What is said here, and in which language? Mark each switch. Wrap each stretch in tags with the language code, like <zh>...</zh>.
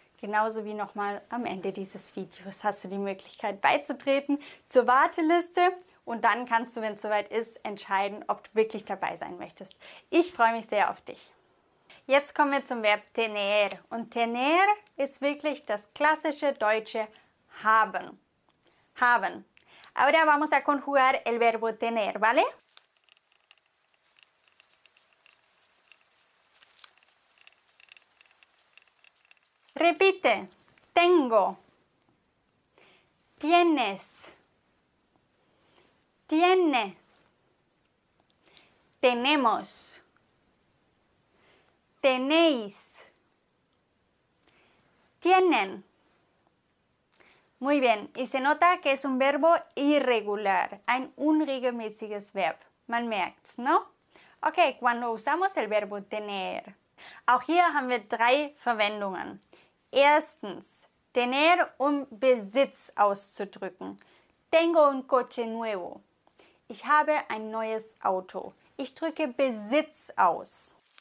<de>Genauso wie nochmal am Ende dieses Videos hast du die Möglichkeit beizutreten zur Warteliste und dann kannst du, wenn es soweit ist, entscheiden, ob du wirklich dabei sein möchtest. Ich freue mich sehr auf dich. Jetzt kommen wir zum Verb tener und tener ist wirklich das klassische deutsche haben. Haben.</de> <es>Ahora vamos a conjugar el verbo tener, ¿vale? Repite. Tengo. Tienes. Tiene. Tenemos. Tenéis. Tienen. Muy bien, y se nota que es un verbo irregular,</es> <de>ein unregelmäßiges Verb.</de> <es>Man merkt's, ¿no? Okay, cuando usamos el verbo tener.</es> <de>Auch hier haben wir 3 Verwendungen. Erstens, tener, um Besitz auszudrücken.</de> <es>Tengo un coche nuevo.</es> <de>Ich habe ein neues Auto. Ich drücke Besitz aus.</de>